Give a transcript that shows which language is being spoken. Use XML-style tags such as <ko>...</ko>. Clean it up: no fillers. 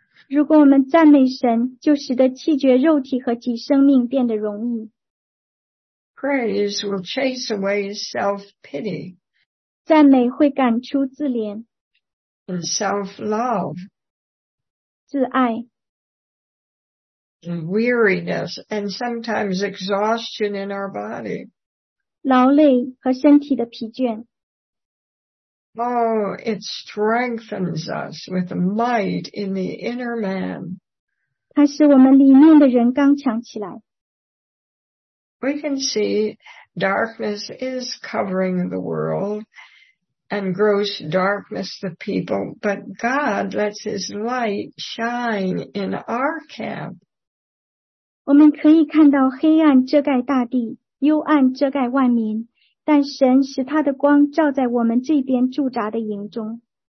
<zh>如果我们赞美神，就使得弃绝肉体和己生命变得容易。</zh> <en>Praise will chase away self-pity.</en> <zh>赞美会赶出自怜。</zh> <en>And self-love.</en> <zh>自爱。</zh> <en>And weariness and sometimes exhaustion in our body.</en> <zh>劳累和身体的疲倦。</zh> <en>Oh, it strengthens us with might in the inner man.</en> <zh>它使我们里面的人刚强起来。</zh> <en>We can see darkness is covering the world, and gross darkness the people, but God lets his light shine in our camp.</en> <zh>我们可以看到黑暗遮盖大地，幽暗遮盖万民，但神使他的光照在我们这边驻扎的营中。</zh>